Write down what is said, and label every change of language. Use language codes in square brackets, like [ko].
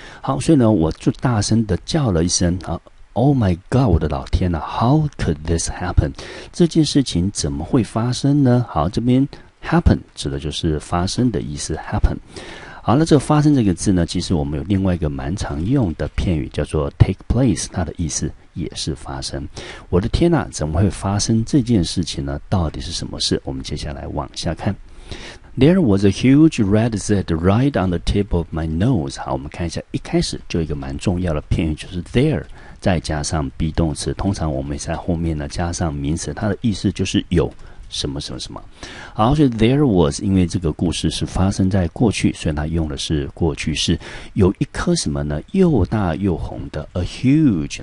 [zh] 好，所以呢我就大声的叫了一声啊 [en] Oh my God， [zh] 我的老天啊， [en] How could this happen， [zh] 这件事情怎么会发生呢？好，这边 happen 指的就是发生的意思 happen。好，那这个发生这个字呢，其实我们有另外一个蛮常用的片语叫做 [en] take place， [zh] 它的意思也是发生。我的天哪，怎么会发生这件事情呢？到底是什么事？我们接下来往下看。 [en] There was a huge red Z right on the tip of my nose. [zh] 好，我们看一下，一开始就一个蛮重要的片语，就是 there， 再加上 be 动词。通常我们在后面呢加上名词，它的意思就是有什么什么什么。好，所以 [en] there was， [zh] 因为这个故事是发生在过去，所以它用的是过去式。有一颗什么呢？又大又红的 [en] a huge。